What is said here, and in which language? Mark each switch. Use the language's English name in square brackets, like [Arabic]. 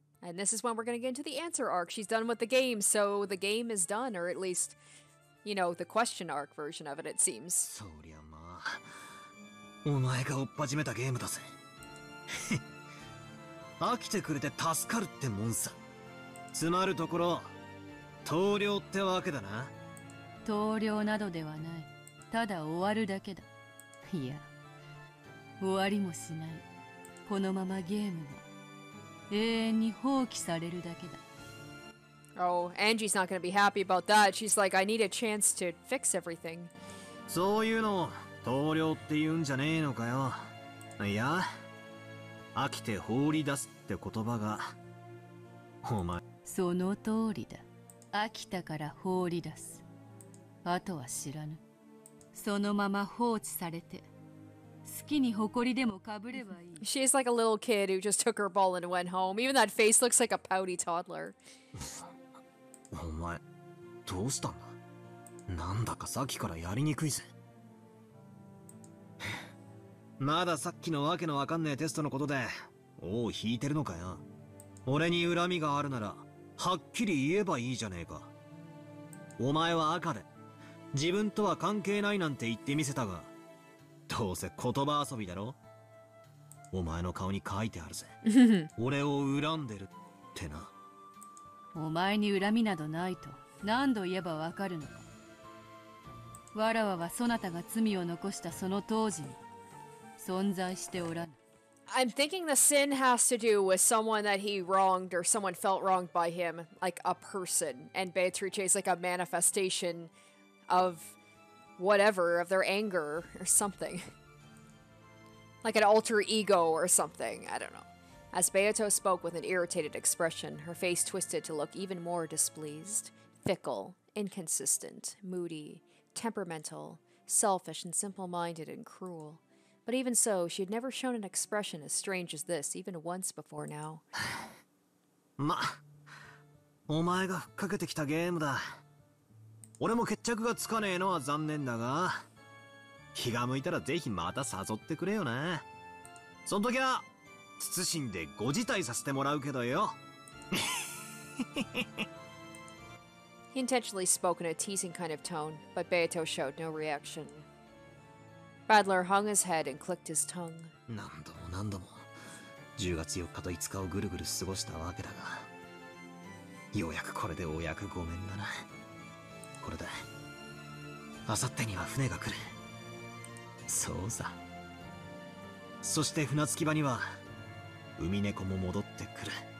[English] And this is when we're gonna get into the answer arc. She's done with the game, so the game is done, or at least, you know, the question arc version of it, it seems. [Japanese] そりゃまあ、お前が追っ始めたゲームだぜ。飽きてくれて助かるってもんさ。詰まるところ、投了ってわけだな。投了などではない。ただ終わるだけだ。いや、終わりもしない。このままゲームは永遠に放棄されるだけだ。 [English] Oh, Angie's not gonna be happy about that. She's like, I need a chance to fix everything. [Japanese] そういうのを投了って言うんじゃねえのかよ。いや、飽きて放り出すって言葉が、お前。その通りだ。飽きたから放り出す。あとは知らぬ。そのまま放置されて、好きに埃でもかぶればいい。 [English] She's like a little kid who just took her ball and went home. Even that face looks like a pouty toddler. [Japanese] お前、どうしたんだ？なんだかさっきからやりにくいぜ。まださっきのわけのわかんねえテストのことで、王を引いてるのかよ。俺に恨みがあるなら、はっきり言えばいいじゃねえか。お前は赤で。自分とは関係ないなんて言ってみせたが、どうせ言葉遊びだろ。お前の顔に書いてあるぜ。俺を恨んでるってな。お前に恨みなどないと何度言えばわかるのか。わらわはそなたが罪を残したその当時に存在しておらぬ。 [English] I'm thinking the sin has to do with someone that he wronged or someone felt wronged by him, like a person, and Beatrice is like a manifestation. Of whatever, of their anger or something. Like an alter ego or something, I don't know. As Beato spoke with an irritated expression, her face twisted to look even more displeased. Fickle, inconsistent, moody, temperamental, selfish and simple-minded and cruel. But even so, she had never shown an expression as strange as this, even once before now. [Japanese] Ma, お前が吹っかけてきたゲームだ。俺も決着がつかねえのは残念だが、気が向いたらぜひまた誘ってくれよな。その時は慎んでご辞退させてもらうけどよ。 [English] He intentionally spoke in a teasing kind of tone, but Beato showed no reaction. Badler hung his head and clicked his tongue. [Japanese] 何度も何度も10月4日と5日をぐるぐる過ごしたわけだが、ようやくこれでお役ごめんだな。これで明後日には船が来る。そうさ。そして船着き場には海猫も戻ってくる。